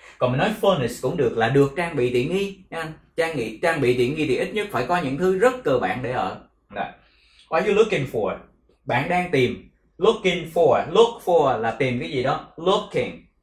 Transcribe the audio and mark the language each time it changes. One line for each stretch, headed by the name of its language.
Vietnamese: Còn mình nói furnished cũng được, là được trang bị tiện nghi nha. Trang bị tiện nghi thì ít nhất phải có những thứ rất cơ bản để ở.
English: What are you looking for?
Vietnamese: Bạn đang tìm.
English: Looking for, look for
Vietnamese: là tìm cái gì đó. Looking.